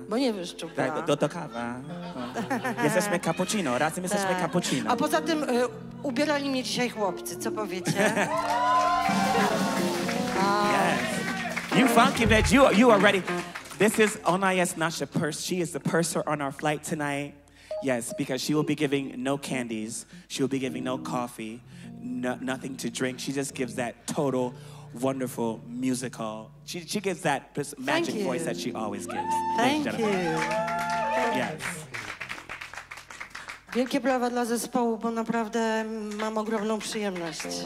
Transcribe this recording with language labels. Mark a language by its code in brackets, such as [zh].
[pl] Bo nie wyszczupla. Tak, do kawa. Jesteśmy cappuccino, razem jesteśmy cappuccino. A poza tym ubierali mnie dzisiaj chłopcy, co powiecie? [en] Yes. You funky bitch, you are ready. This is [pl] Ona jest nasza [en] purse. She is the purser on our flight tonight. Yes, because she will be giving no candies. She will be giving no coffee, nothing to drink. She just gives that total wonderful musical. She gives that magic voice that she always gives. Thank you. Yes. [pl] Wielkie brawa dla zespołu, bo naprawdę mam ogromną przyjemność.